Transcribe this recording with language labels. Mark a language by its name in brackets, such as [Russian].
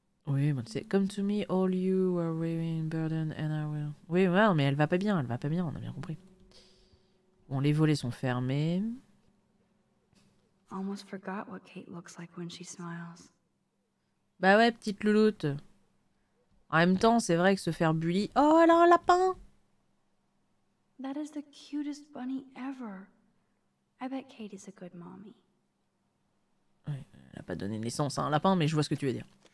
[French] Oui, bon, tu sais, [English] come to me, all you are wearing burden and I will. [French] Oui, ouais, mais elle va pas bien, on a bien compris. Bon, les volets sont fermés. [English] Almost forgot what Kate looks like when she smiles. [French] Bah ouais, petite louloute. En même temps, c'est vrai que se faire bully. Oh, elle a un lapin! [English] That is the cutest bunny ever. I bet Kate is a good mommy. [French] Oui, elle a pas donné naissance à un lapin, mais je vois ce que tu veux dire.